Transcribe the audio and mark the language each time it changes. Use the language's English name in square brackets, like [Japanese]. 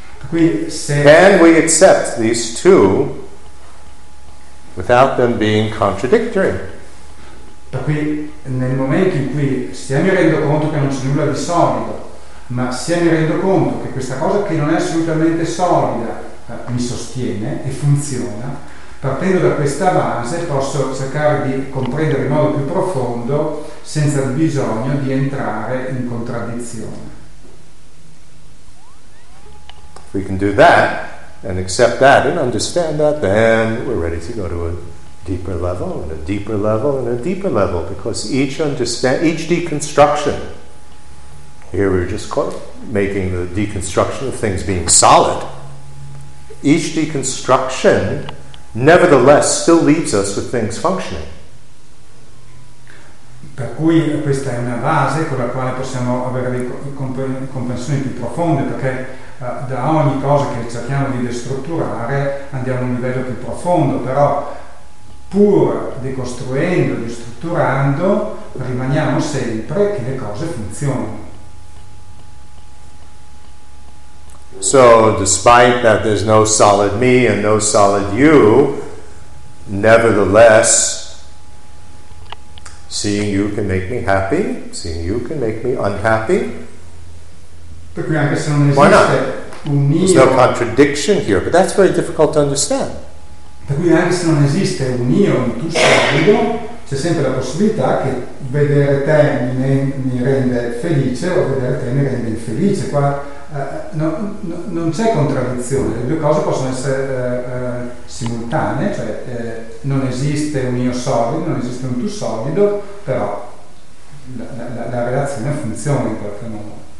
[English] Can we accept these two without them being contradictory? [Italian] Qui nel momento in cui sia mi rendo conto che non c'è nulla di solido, ma sia mi rendo conto che questa cosa che non è assolutamente solida mi sostiene e funziona, partendo da questa base posso cercare di comprendere in modo più profondo senza il bisogno di entrare in contraddizione. [English] If we can do that and accept that and understand that, then we're ready to go to it. Deeper level and a deeper level and a deeper level, because each deconstruction, here we're just making the deconstruction of things being solid, each deconstruction nevertheless still leaves us with things functioning. [Italian] Per cui questa è una base con la quale possiamo avere comprensioni più profonde, perché da ogni cosa che cerchiamo di destrutturare andiamo a un livello più profondo, però pur decostruendo, ristrutturando, rimaniamo sempre che le cose funzionano. [English] So, despite that there's no solid me and no solid you, nevertheless, seeing you can make me happy, seeing you can make me unhappy. [Italian] Per cui anche se non esiste un io... [English] There's no contradiction here, but that's very difficult to understand. [Italian] Per cui anche se non esiste un io, un tu solido, c'è sempre la possibilità che vedere te mi rende felice o vedere te mi rende infelice. Qua no, no, non c'è contraddizione, le due cose possono essere simultanee, cioè non esiste un io solido, non esiste un tu solido, però la relazione funziona in qualche modo.